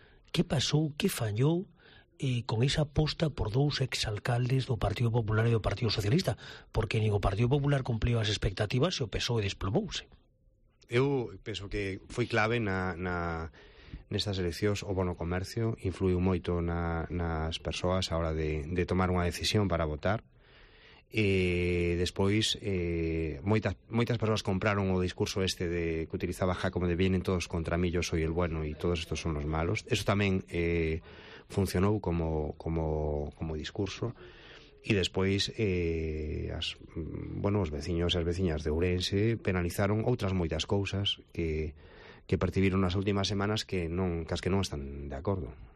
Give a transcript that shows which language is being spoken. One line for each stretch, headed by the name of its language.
Galician: Que pasou, que fallou con esa aposta por dous exalcaldes do Partido Popular e do Partido Socialista? Porque nin o Partido Popular cumpliu as expectativas e o PSOE desplomouse. Eu penso que foi clave nestas eleccións o bono comercio, influiu moito nas persoas a hora de tomar unha decisión para votar. Despois moitas persoas compraron o discurso este de que utilizaba Jácome, de
Spanish: vienen todos contra mí, yo soy el bueno y todos estos son los malos.
Galician: Eso tamén funcionou como discurso. E despois, os veciños e as veciñas de Ourense penalizaron outras moitas cousas que percibiron nas últimas semanas que non están de acordo.